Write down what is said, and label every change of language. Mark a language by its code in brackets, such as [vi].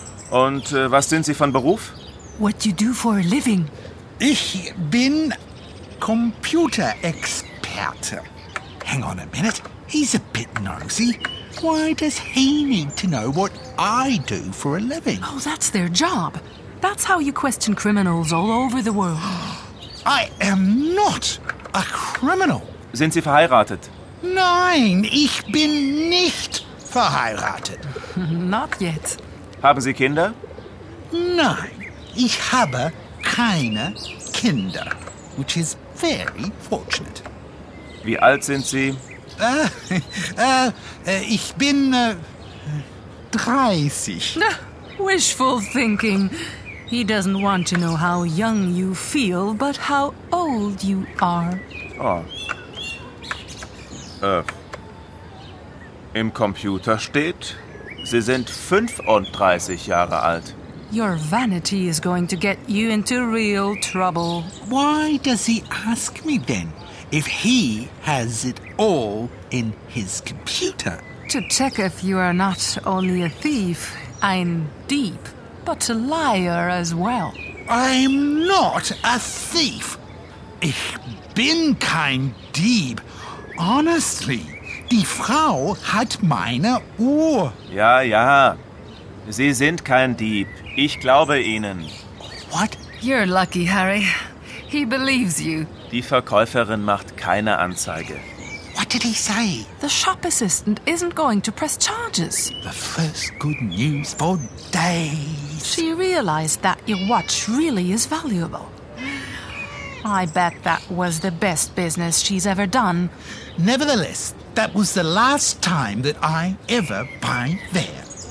[de] Und was sind Sie von Beruf? [en] What you do for a living? [de] Ich bin Computerexperte. [en] Hang on a minute. He's a bit nosy. Why does he need to know what I do for a living? Oh, that's their job. That's how you question criminals all over the world. I am not a criminal. [de] Sind Sie verheiratet? Nein, ich bin nicht verheiratet. [en] Not yet. [de] Haben Sie Kinder? Nein, ich habe keine Kinder, [en] which is very fortunate. [de] Wie alt sind Sie? Ich bin 30. [en] Wishful thinking. He doesn't want to know how young you feel, but how old you are. Oh. [de] Im Computer steht, Sie sind 35 Jahre alt. [en] Your vanity is going to get you into real trouble. Why does he ask me then, if he has it all in his computer? To check if you are not only a thief, [de] ein Dieb. [en] But a liar as well. I'm not a thief. [de] Ich bin kein Dieb. [en] Honestly, [de] die Frau hat meine Uhr. Ja, ja. Sie sind kein Dieb. Ich glaube Ihnen. [en] What? You're lucky, Harry. He believes you. [de] Die Verkäuferin macht keine Anzeige. [en] What did he say? The shop assistant isn't going to press charges. The first good news for days. She realized that your watch really is valuable. I bet that was the best business she's ever done. Nevertheless, that was the last time that I ever buy there.